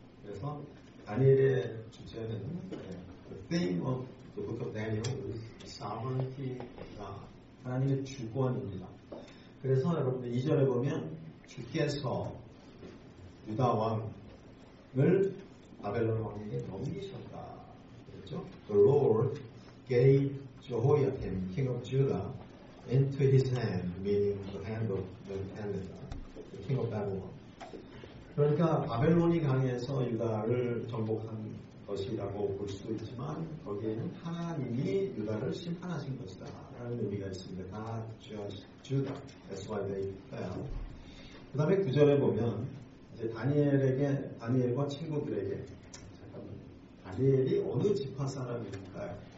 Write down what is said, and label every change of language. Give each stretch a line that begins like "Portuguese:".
Korean: 그래서 다니엘의 주제는
English: The theme of the book of Daniel is sovereignty.
Korean: 하나님의 주권입니다. 그래서 여러분들 2절에 보면 주께서 유다 왕을 바벨론 왕에게 넘기셨다. 그렇죠?
English: The Lord gave Jehoiakim, king of Judah, into his hand, meaning the hand of Nebuchadnezzar, the king of Babylon.
Korean: 그러니까 바벨론이 강해서 유다를 정복한 것이라고 볼 수도 있지만 거기에는 하나님이 유다를 심판하신 것이다 라는 의미가 있습니다.
English: God judged Judah. That's why they fell.
Korean: 그 다음에 9절에 보면 이제 다니엘과 친구들에게 잠깐만 다니엘이 어느 지파 사람일까요?